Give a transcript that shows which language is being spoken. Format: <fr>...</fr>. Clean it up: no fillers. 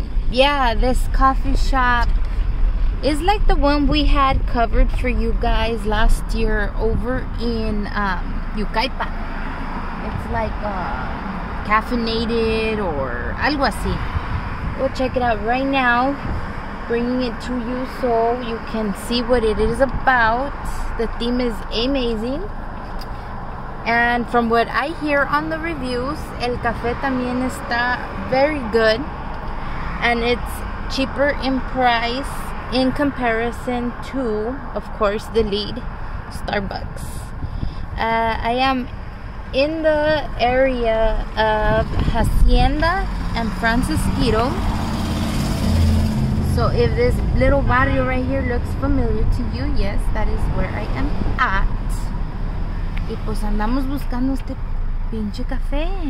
<en>Yeah, this coffee shop is like the one we had covered for you guys last year over in Yucaipa. It's like caffeinated or</en> <es>algo así.</es> <en>We'll check it out right now, bringing it to you so you can see what it is about. The theme is amazing. And from what I hear on the reviews,</en> <es>el café también está</es> <en>very good. And it's cheaper in price in comparison to, of course, the lead, Starbucks. I am in the area of Hacienda and Francisquito. So if this little barrio right here looks familiar to you, yes, that is where I am at.</en> <es>Y pues andamos buscando este pinche café.</es>